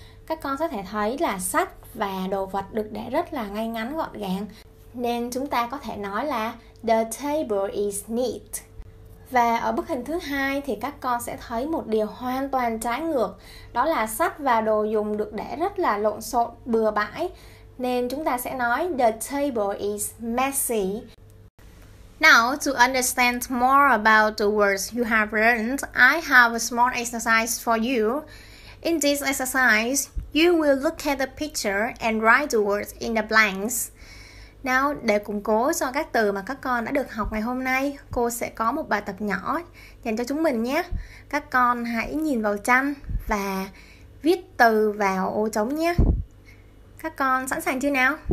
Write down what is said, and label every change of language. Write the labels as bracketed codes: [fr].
[vi] Các con có thể thấy là sách và đồ vật được để rất là ngay ngắn gọn gàng, nên chúng ta có thể nói là [en] the table is neat. [vi] Và ở bức hình thứ hai thì các con sẽ thấy một điều hoàn toàn trái ngược, đó là sách và đồ dùng được để rất là lộn xộn, bừa bãi, nên chúng ta sẽ nói [en] the table is messy. Now, to understand more about the words you have learned, I have a small exercise for you. In this exercise, you will look at the picture and write the words in the blanks. [vi] Now, để củng cố cho các từ mà các con đã được học ngày hôm nay, cô sẽ có một bài tập nhỏ dành cho chúng mình nhé. Các con hãy nhìn vào tranh và viết từ vào ô trống nhé. Các con sẵn sàng chưa nào?